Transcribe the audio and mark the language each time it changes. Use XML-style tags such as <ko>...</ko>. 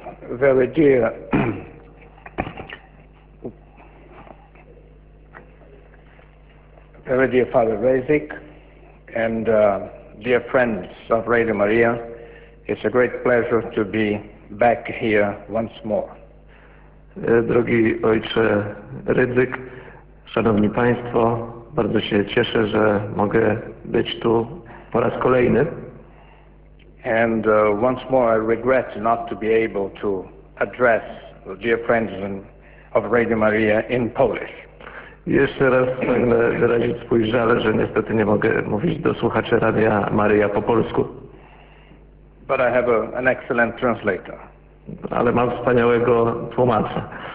<en>Very dear very dear Father Rezik and dear friends of Radio Maria, it's a great pleasure to be back here once more.</en> <pl>Drogi ojcze Rezik, szanowni państwo, bardzo się cieszę, że mogę być tu po raz kolejny.</pl> <en>And once more I regret not to be able to address the dear friends of Radio Maria in Polish.</en> <pl>Jeszcze raz pragnę wyrazić swój żal, że niestety nie mogę mówić do słuchaczy Radia Maria po polsku.</pl> <en>But I have an excellent translator.</en> <pl>Ale mam wspaniałego tłumacza.</pl>